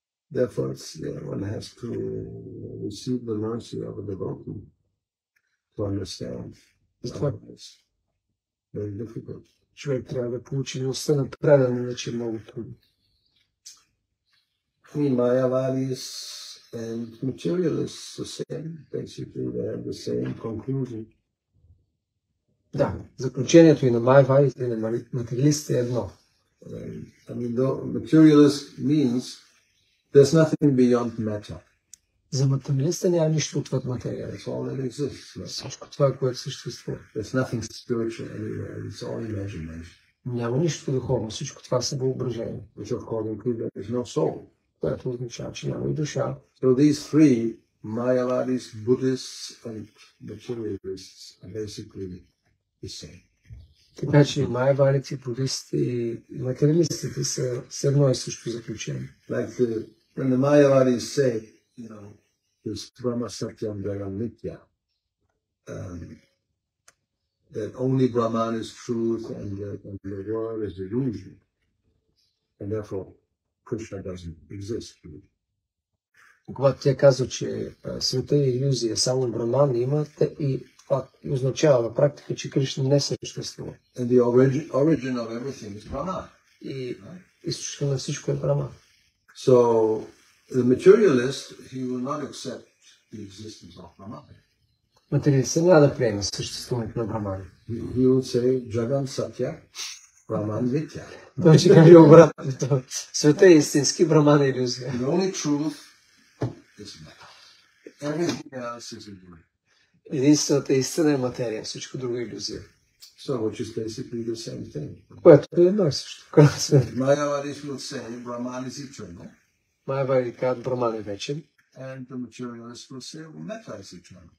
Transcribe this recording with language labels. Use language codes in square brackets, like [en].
[en] Therefore, one has to receive the mercy of a devotee to understand. Very difficult. [bg] Човек трябва да получи милостта на предан, иначе много трудно. И майявадис и материалист са [en] same, basically they have the same conclusion. [bg] Да, заключението и на майявадите и на материалистите е едно. [en] I mean, materialist means there's nothing beyond matter. [bg] За материалиста няма нищо отвъд материя. [en] It's all that exists. Right? [bg] Всичко това, което съществува. [en] There's nothing spiritual anywhere. It's all imagination. [bg] Няма нищо духовно. Всичко това са въображение. [en] Which accordingly there is no soul. [bg] Което означава, че няма и душа. [en] So these three, Mayavadis, Buddhists and materialists, are basically the same. [bg] Така че майявадите, буддистите и материалистите са все едно и също заключение. [en] Like the, when the Mayavadis say, you know, this Brahma Satyam Jagan Nitya, that only Brahman is truth and the world is illusion, and therefore Krishna doesn't exist. [bg] Когато тя казва, че света е иллюзия, само Брахман има, и това означава на практика, че Кришна не съществува. [en] And the origin of everything is Brahma. [bg] И източник на всичко е Брахман. [en] So the materialist, he will not accept the existence of Brahman. [bg] Материалистът няма да приеме съществуването на Брахман. [en] He will say Jagan Satya, Brahman Vitya. [bg] Той ще каже обратното. Света е истински, Брахман е иллюзия. [en] The only truth is matter. Everything else is illusion. [bg] Единствената истина е материя, всичко друго е иллюзия. [en] So which is basically the same thing. [bg] Което е едно и също. [en] Mayavadis will say Brahman is eternal. [bg] Майявадите казват, Брахман е вечен. [en] And the materialist will say, well, matter is eternal.